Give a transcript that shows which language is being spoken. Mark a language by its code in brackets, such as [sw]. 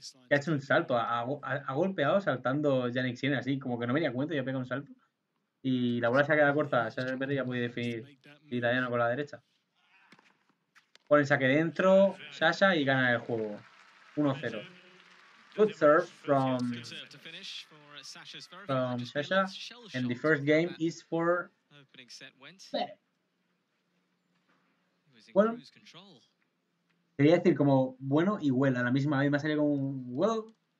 [es] Ha hecho un salto, ha golpeado saltando Jannik Sinner, así como que no me di cuenta, y ha pegado un salto. Y la bola se ha quedado corta, Sasha Zverev ya puede definir el italiano con la derecha. Pone el saque dentro, Sasha, y gana el juego. 1-0. [en] Good serve from Sasha, and the first game is for Zverev. [es] Bueno, quería decir como bueno y well a la misma vez, me salió como well.